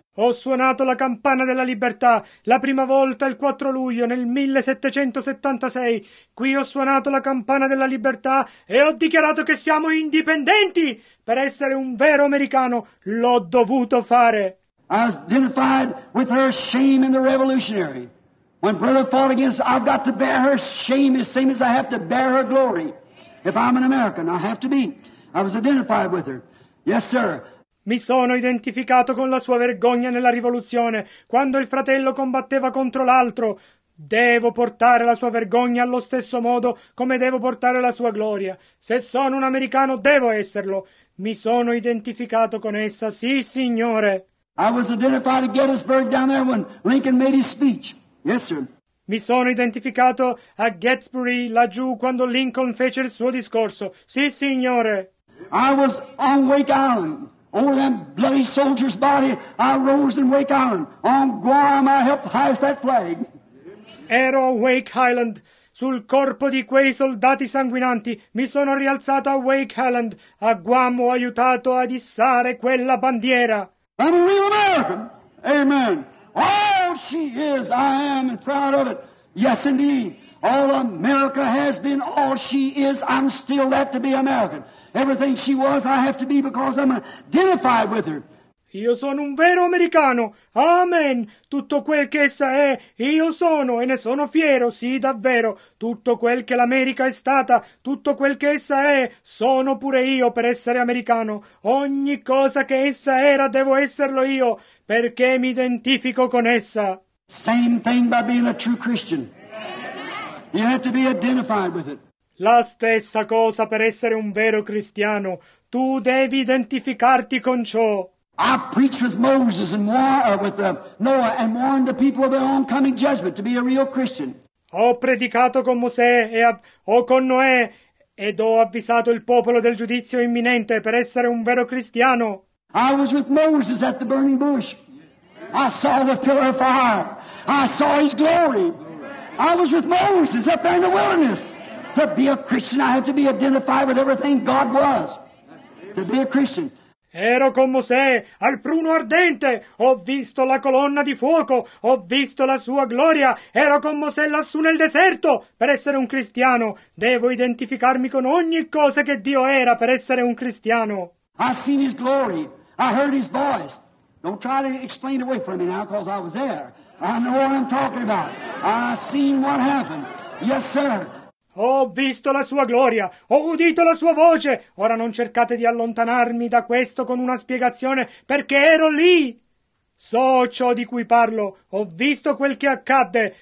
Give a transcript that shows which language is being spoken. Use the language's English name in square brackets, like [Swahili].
[Italian] Ho suonato la campana della libertà la prima volta il 4 luglio nel 1776. Qui ho suonato la campana della libertà e ho dichiarato che siamo indipendenti. Per essere un vero americano, l'ho dovuto fare. [English] I was identified with her shame in the revolutionary. When brother fought against, I've got to bear her shame the same as I have to bear her glory. If I'm an American, I have to be. I was identified with her. Yes, sir. [Italian] Mi sono identificato con la sua vergogna nella rivoluzione, quando il fratello combatteva contro l'altro. Devo portare la sua vergogna allo stesso modo come devo portare la sua gloria. Se sono un americano, devo esserlo. Mi sono identificato con essa, sì, signore. [English] I was identified at Gettysburg down there when Lincoln made his speech. Yes, sir. [Italian] Mi sono identificato a Gettysburg laggiù quando Lincoln fece il suo discorso. Sì, signore. [English] I was on Wake Island. Over that bloody soldier's body, I rose in Wake Island. On Guam, I helped hoist that flag. [Italian] Ero a Wake Island. Sul corpo di quei soldati sanguinanti, mi sono rialzato a Wake Island. A Guam ho aiutato ad issare quella bandiera. [English] I'm a real American. Amen. All she is, I am, and proud of it. Yes, indeed. All America has been, all she is, I'm still that to be American. Everything she was, I have to be because I'm identified with her. [Italian] Io sono un vero americano. Amen. Tutto quel che essa è, io sono e ne sono fiero. Sì, davvero. Tutto quel che l'America è stata, tutto quel che essa è, sono pure io per essere americano. Ogni cosa che essa era, devo esserlo io, perché mi identifico con essa. [English] Same thing by being a true Christian. You have to be identified with it. [Italian] La stessa cosa per essere un vero cristiano. Tu devi identificarti con ciò. [English] I preached with Moses and with Noah and warned the people of their oncoming judgment to be a real Christian. [Italian] Ho predicato con Mosè e ho con Noè ed ho avvisato il popolo del giudizio imminente per essere un vero cristiano. [English] I was with Moses at the burning bush. I saw the pillar of fire. I saw his glory. I was with Moses up there in the wilderness. To be a Christian, I had to be identified with everything God was. To be a Christian. [Italian] Ero con Mosè, al pruno ardente, ho visto la colonna di fuoco, ho visto la sua gloria, ero con Mosè lassù nel deserto. Per essere un cristiano, devo identificarmi con ogni cosa che Dio era per essere un cristiano. [English] I seen his glory, I heard his voice. Don't try to explain away from me now, because I was there. I know what I'm talking about. I seen what happened. Yes, sir. [Italian] Ho visto la sua gloria, ho udito la sua voce. Ora non cercate di allontanarmi da questo con una spiegazione, perché ero lì. So ciò di cui parlo, ho visto quel che accadde.